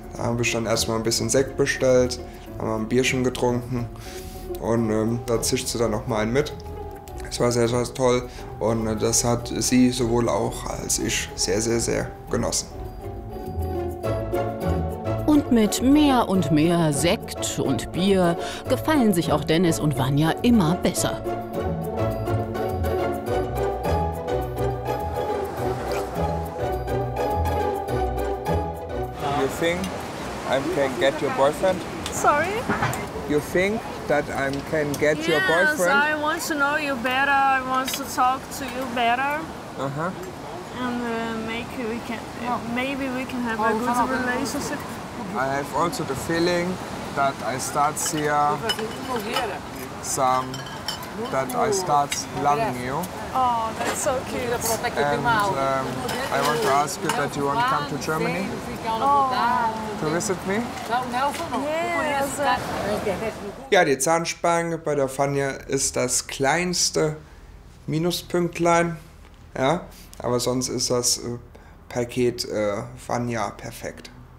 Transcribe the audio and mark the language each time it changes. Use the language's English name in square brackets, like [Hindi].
[German] Da habe ich dann erstmal ein bisschen Sekt bestellt, haben ein Bierchen getrunken und da zischte dann noch mal einen mit. Es war sehr, sehr toll und das hat sie sowohl auch als ich sehr, sehr, sehr genossen. Und mit mehr und mehr Sekt und Bier gefallen sich auch Dennis und Vanya immer besser. [English] You think I can get your boyfriend? Sorry? You think that I can get your boyfriend? Yes, I want to know you better. I want to talk to you better. Uh-huh. And maybe we can have a good relationship. I have also the feeling that I start here some. That I start loving you. Oh, that's so cute. And I want to ask you that you want to come to Germany to visit me. Yes. [German] Ja, die Zahnspange bei der Vanya ist das kleinste Minuspünktlein. Ja, aber sonst ist das Paket Vanya perfekt.